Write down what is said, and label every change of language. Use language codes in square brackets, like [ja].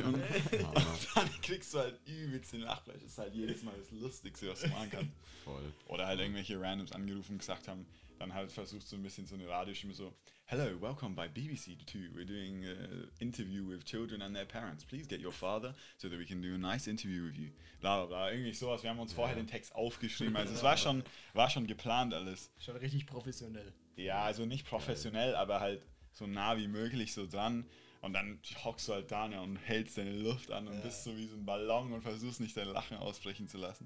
[de] Und dann kriegst du halt übelst den Lachfleisch. Das ist halt jedes Mal das Lustigste, was man machen kann. Voll. Oder halt irgendwelche Randoms angerufen und gesagt haben, dann halt versucht so ein bisschen so eine Radiostimme so, [en] hello, welcome by BBC 2. We're doing an interview with children and their parents. Please get your father so that we can do a nice interview with you. [de] Bla bla bla, irgendwie sowas. Wir haben uns vorher den Text aufgeschrieben. Also es war schon geplant alles. Schon richtig professionell. Ja, also nicht professionell, aber halt so nah wie möglich so dran. Und dann hockst du halt da und hältst deine Luft an und bist so wie so ein Ballon und versuchst nicht dein Lachen ausbrechen zu lassen.